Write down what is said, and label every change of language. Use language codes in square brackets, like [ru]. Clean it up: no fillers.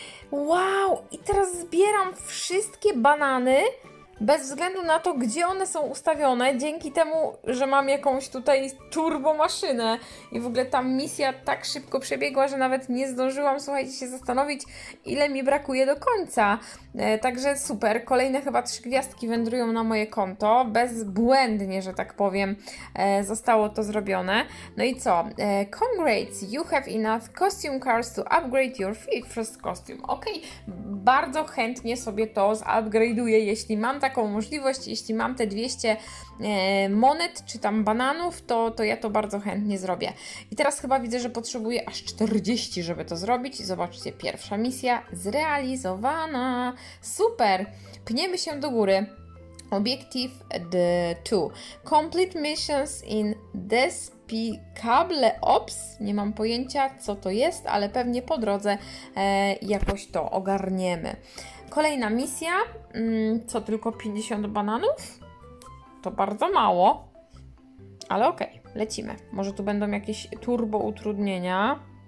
[pl] Wow, i teraz zbieram wszystkie banany, bez względu na to, gdzie one są ustawione, dzięki temu, że mam jakąś tutaj turbo maszynę. I w ogóle ta misja tak szybko przebiegła, że nawet nie zdążyłam, słuchajcie, się zastanowić, ile mi brakuje do końca. Także super, kolejne chyba 3 gwiazdki wędrują na moje konto. Bezbłędnie, że tak powiem, zostało to zrobione. No i co? [en] Congrats, you have enough costume cards to upgrade your first costume. [pl] Okej, bardzo chętnie sobie to zupgrade'uję, jeśli mam taką możliwość, jeśli mam te 200 monet, czy tam bananów, to ja to bardzo chętnie zrobię. I teraz chyba widzę, że potrzebuję aż 40, żeby to zrobić. I zobaczcie, pierwsza misja zrealizowana. Super! Pniemy się do góry. Objective 2. [en] Complete missions in Despicable Ops. [pl] Nie mam pojęcia, co to jest, ale pewnie po drodze jakoś to ogarniemy. Kolejna misja. Co, tylko 50 bananów? To bardzo mało. Ale okej, lecimy. Może tu będą jakieś turbo utrudnienia.